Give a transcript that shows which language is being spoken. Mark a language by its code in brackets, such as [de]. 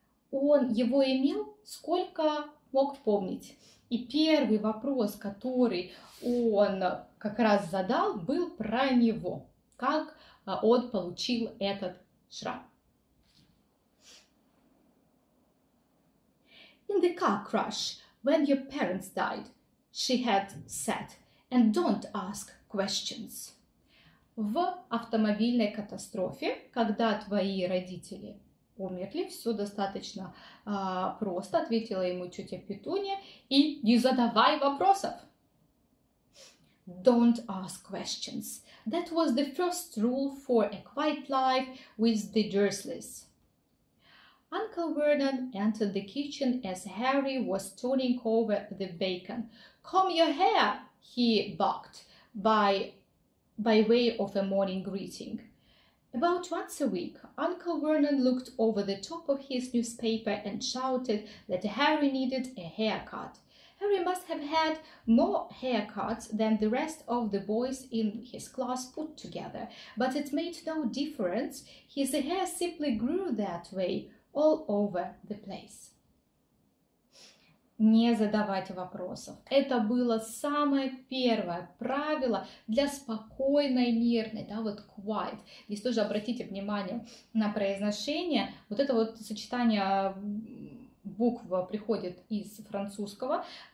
[ru] Он его имел, сколько мог помнить. И первый вопрос, который он как раз задал, был про него. Как он получил этот шрам. [en] In the car crash, when your parents died, she had said, and don't ask questions. [ru] В автомобильной катастрофе, когда твои родители умерли, все достаточно просто, ответила ему тетя Петунья, и не задавай вопросов. [en] Don't ask questions. That was the first rule for a quiet life with the Dursleys. Uncle Vernon entered the kitchen as Harry was turning over the bacon. Comb your hair, he barked by way of a morning greeting. About once a week, Uncle Vernon looked over the top of his newspaper and shouted that Harry needed a haircut. Harry must have had more haircuts than the rest of the boys in his class put together, but it made no difference. His hair simply grew that way all over the place. [ru] Не задавайте вопросов. Это было самое первое правило для спокойной, мирной, да, вот quiet. Здесь тоже обратите внимание на произношение. Вот это вот сочетание букв приходит из французского.